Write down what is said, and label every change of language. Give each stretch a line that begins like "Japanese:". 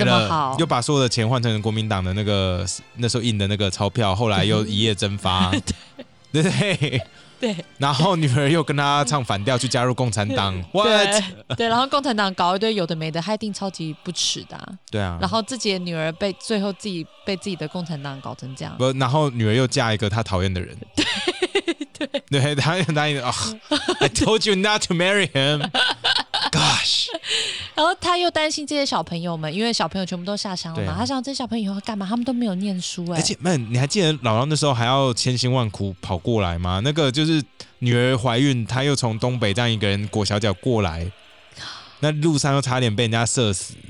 Chinese: 这么好，又把所有的钱换成国民党的那个那时候印的那个钞票，后来又一夜蒸发，对不对？对。然后女儿又跟他唱反调，去加入共产党。
English: What？
Chinese: 对，然后共产党搞一堆有的没的，他一定超级不耻的、啊。对啊，然后自己的女儿被最后自己的共产党搞成这样，不，然后女儿又嫁一个她讨厌的人，对对对，她很答应啊
English: ，I told you not to marry him， gosh，
Chinese: 然后她又担心这些小朋友们，因为小朋友全部都下乡了嘛，她、啊、想这些小朋友以后要干嘛？他们都没有念书哎、欸，而且曼，你还记得老张那时候还要千辛万苦跑过来吗？那个就是女儿怀孕，她又从东北这样一个人裹小脚过来，那路上又差点被人家射死，